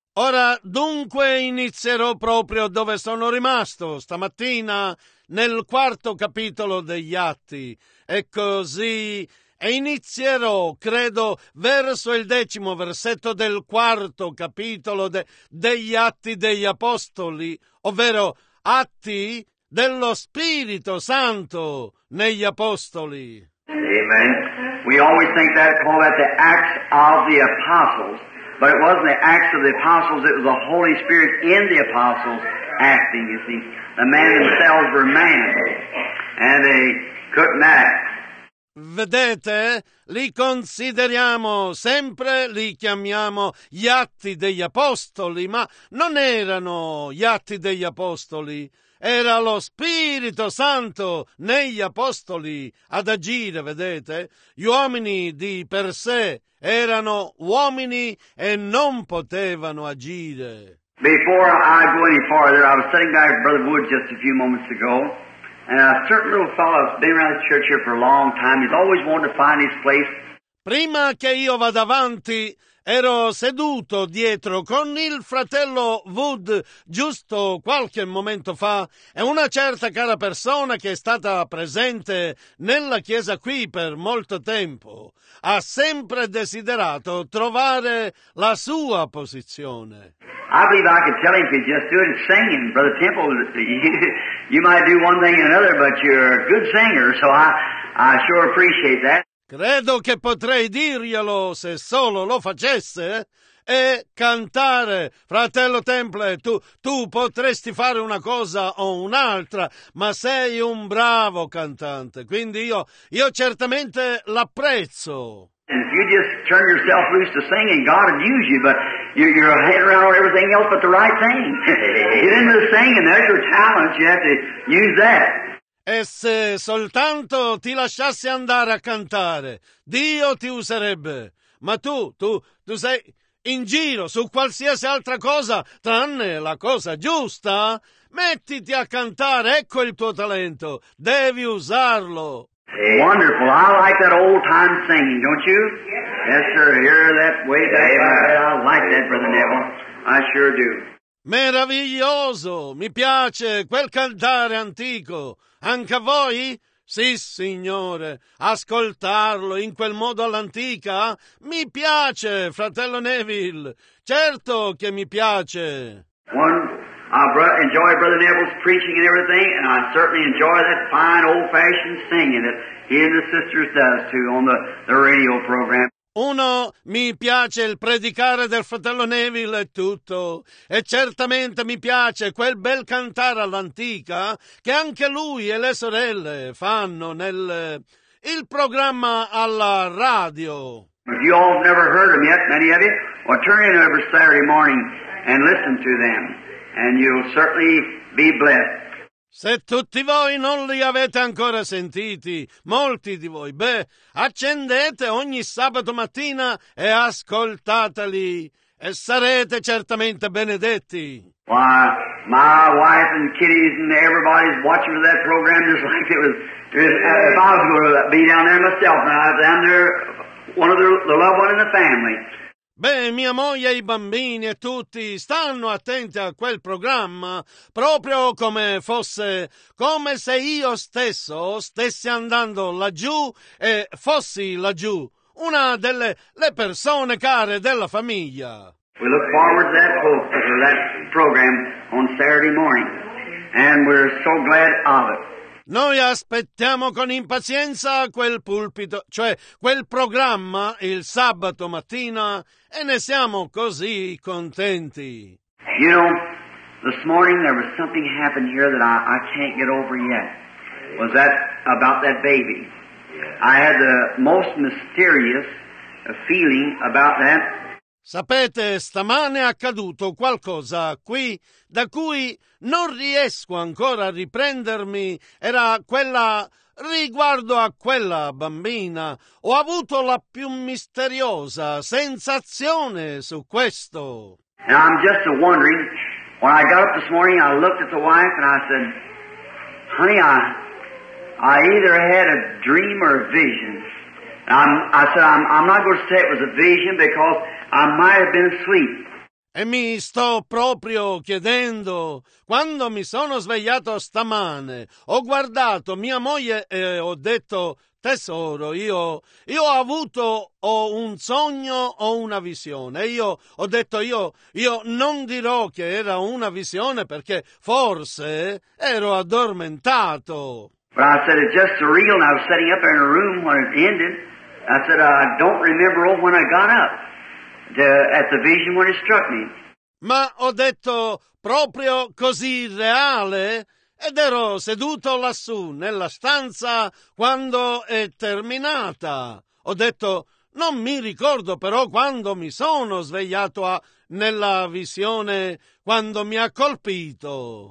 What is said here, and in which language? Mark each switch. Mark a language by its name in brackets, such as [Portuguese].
[Italian] Ora dunque inizierò proprio dove sono rimasto stamattina, nel quarto capitolo degli Atti, e così e inizierò, credo, verso il decimo versetto del quarto capitolo degli Atti degli Apostoli, ovvero Atti dello Spirito Santo negli Apostoli. [English] Amen. We always think that, call that the Acts of the Apostles, But it wasn't the acts of the apostles, it was the Holy Spirit in the apostles acting, you see. The men themselves were men, and they couldn't act. [Italian] Vedete, li consideriamo, sempre li chiamiamo gli atti degli apostoli, ma non erano gli atti degli apostoli, era lo Spirito Santo negli apostoli ad agire, vedete? Gli uomini di per sé erano uomini e non potevano agire. [English] Before I go any farther, I was sitting back with Brother Wood just a few moments ago. And a certain little fellow has been around the church here for a long time. He's always wanted to find his place. [Italian] Prima che io vada avanti, ero seduto dietro con il fratello Wood giusto qualche momento fa. E una certa cara persona che è stata presente nella chiesa qui per molto tempo ha sempre desiderato trovare la sua posizione. [English] I believe I could tell him if you just do it in singing, Brother Temple. You might do one thing and another, but you're a good singer, so I sure appreciate that. [Italian] Credo che potrei dirglielo se solo lo facesse e cantare. Fratello Temple, tu potresti fare una cosa o un'altra, ma sei un bravo cantante, quindi io certamente l'apprezzo. [English] And if you just turn yourself loose to singing, God would use you, but you're hanging around on everything else but the right thing. Get into the singing, that's your talent, you have to use that. [Italian] E se soltanto ti lasciassi andare a cantare, Dio ti userebbe. Ma tu sei in giro su qualsiasi altra cosa, tranne la cosa giusta. Mettiti a cantare, ecco il tuo talento. Devi usarlo. [English] Wonderful. I like that old time singing, don't you? Yes, sir. Hear that way back. I like that, Brother Neville. I sure do. [Italian] Meraviglioso. Mi piace quel cantare antico. Anche a voi? Sì, signore. Ascoltarlo in quel modo all'antica? Mi piace, fratello Neville. Certo che mi piace. [English] I enjoy Brother Neville's preaching and everything, and I certainly enjoy that fine old-fashioned singing that he and the sisters does too on the radio program. [Italian] Uno, mi piace il predicare del fratello Neville e tutto. E certamente mi piace quel bel cantare all'antica che anche lui e le sorelle fanno nel il programma alla radio. [English] If you all have never heard them yet, many of you, well, turn in every Saturday morning and listen to them, and you'll certainly be blessed. [Italian] Se tutti voi non li avete ancora sentiti, molti di voi, beh, accendete ogni sabato mattina e ascoltateli e sarete certamente benedetti. [English] Why, my wife and kiddies and everybody's watching for that program just like it was if I was going to be down there myself. Now, down there, one of the loved one in the family. [Italian] Beh, mia moglie e i bambini e tutti stanno attenti a quel programma, proprio come se io stesso stessi andando laggiù e fossi laggiù, una delle le persone care della famiglia. [English] We look forward to that program on Saturday morning, and we're so glad of it. [Italian] Noi aspettiamo con impazienza quel pulpito, cioè quel programma il sabato mattina e ne siamo così contenti. [English] You know, this morning there was something happened here that I can't get over yet. Was that about that baby? I had the most mysterious feeling about that. [Italian] Sapete, stamane è accaduto qualcosa qui da cui non riesco ancora a riprendermi. Era quella riguardo a quella bambina. Ho avuto la più misteriosa sensazione su questo. [English] And I'm just wondering, when I got up this morning, I looked at the wife and I said, honey, I either had a dream or a vision. I said, I'm not going to say it was a vision because I might have been asleep. [Italian] E mi sto proprio chiedendo, quando mi sono svegliato stamane, ho guardato mia moglie e ho detto, tesoro, io ho avuto o un sogno o una visione. Io ho detto, io non dirò che era una visione perché forse ero addormentato. [English] But I said, it's just surreal, and I was sitting up there in a room when it ended. I said, I don't remember when I got up. at the vision when it struck me. [Italian] Ma ho detto proprio così reale? Ed ero seduto lassù nella stanza quando è terminata. Ho detto, non mi ricordo però quando mi sono svegliato nella visione, quando mi ha colpito.